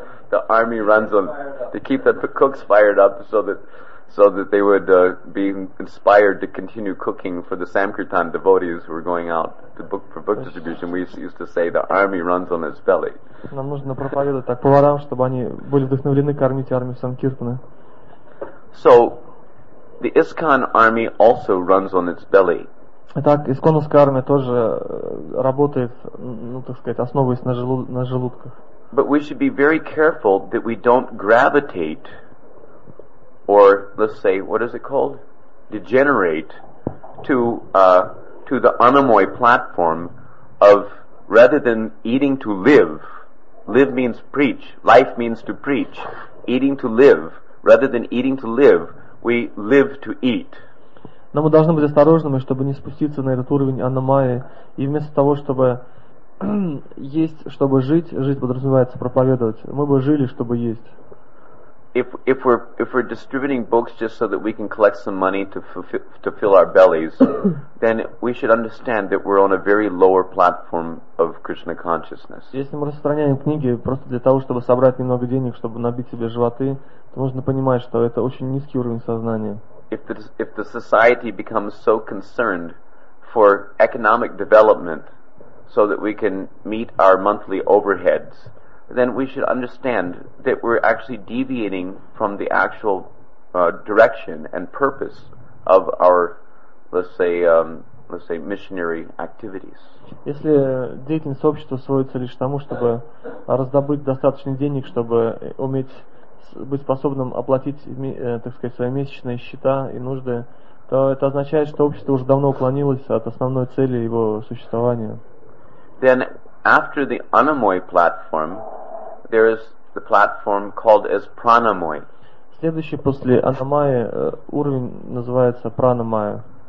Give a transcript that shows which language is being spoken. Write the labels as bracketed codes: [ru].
[en] The army runs on to keep the cooks fired up so that they would be inspired to continue cooking for the Samkirtan devotees who were going out for book distribution. We used to say the army runs on its belly. [ru] Нам нужно проповедовать так поварам, чтобы они были вдохновлены кормить армию Самкиртаны. [en] So the ISKCON army also runs on its belly. [ru] Итак, исконовская армия тоже работает, ну, так сказать, основываясь на желудках. [en] But we should be very careful that we don't gravitate, or let's say, what is it called? Degenerate to the anamoy platform of rather than eating to live. Live means preach. Life means to preach. Eating to live. Rather than eating to live, we live to eat. [ru] Но мы должны быть осторожными, чтобы не спуститься на этот уровень аномалии. И вместо того, чтобы есть, чтобы жить, жить подразумевается проповедовать. Мы бы жили, чтобы есть. [en] If we're distributing books just so that we can collect some money to fill our bellies, then we should understand that we're on a very lower platform of Krishna consciousness. [ru] Если мы распространяем книги просто для того, чтобы собрать немного денег, чтобы набить себе животы, то нужно понимать, что это очень низкий уровень сознания. [en] If the society becomes so concerned for economic development so that we can meet our monthly overheads, then we should understand that we're actually deviating from the actual direction and purpose of our, let's say, missionary activities. [ru] Если деятельность общества сводится лишь к тому, чтобы раздобыть достаточно денег, чтобы уметь быть способным оплатить, так сказать, свои месячные счета и нужды, то это означает, что общество уже давно уклонилось от основной цели его существования. [en] Then after the Anamoy platform, there is the platform called as Pranamoy. [ru] Следующий после Анамайи уровень называется Пранамайя.